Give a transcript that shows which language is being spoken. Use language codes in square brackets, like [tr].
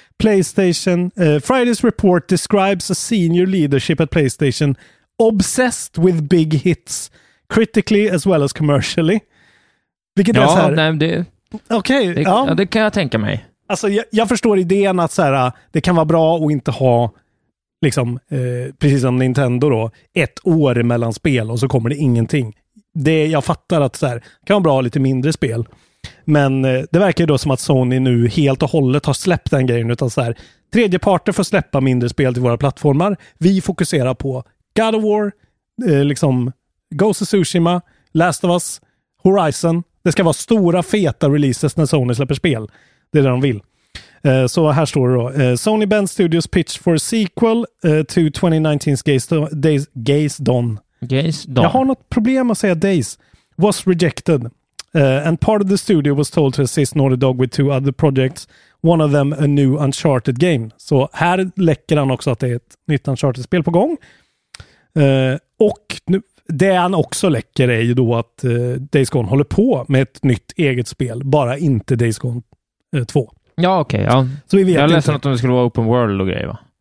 [en] PlayStation, Friday's report describes a senior leadership at PlayStation obsessed with big hits critically as well as commercially. [sv] Vilket ja, är så här. Nej, det, okay, det, ja, det kan jag tänka mig. Alltså jag förstår idén att så här, det kan vara bra att inte ha liksom, precis som Nintendo då, ett år mellan spel och så kommer det ingenting. Det jag fattar att så här, kan vara bra att ha lite mindre spel. Men det verkar ju då som att Sony nu helt och hållet har släppt den grejen, utan så här, tredje parter får släppa mindre spel till våra plattformar. Vi fokuserar på God of War, liksom Ghost of Tsushima, Last of Us, Horizon. Det ska vara stora feta releases när Sony släpper spel. Det är det de vill. Så här står det då. [en] Sony Ben Studios pitch for a sequel to 2019's Days Gone. [sv] Jag har något problem att säga Days. [en] Was rejected. And part of the studio was told to assist Naughty Dog with two other projects. One of them a new Uncharted game. [sv] Så här läcker han också att det är ett nytt Uncharted-spel på gång. Och nu, det han också läcker är ju då att Days Gone håller på med ett nytt eget spel. Bara inte Days Gone 2. Ja, okej. Okay, ja. Jag läste något om det skulle vara Open World och grejer, va?